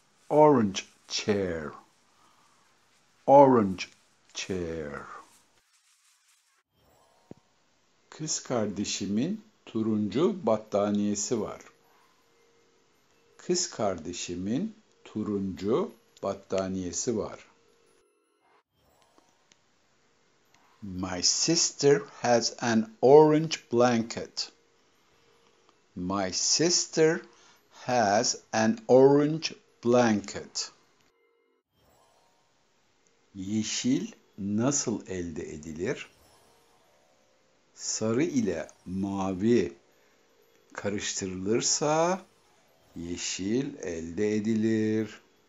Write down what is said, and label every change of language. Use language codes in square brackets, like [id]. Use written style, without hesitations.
[en] Orange chair. Orange chair. [tr] Kız kardeşimin turuncu battaniyesi var. Kız kardeşimin turuncu battaniyesi var. [en] My sister has an orange blanket. My sister has an orange blanket. [tr] Yeşil nasıl elde edilir? Sarı ile mavi karıştırılırsa yeşil elde edilir.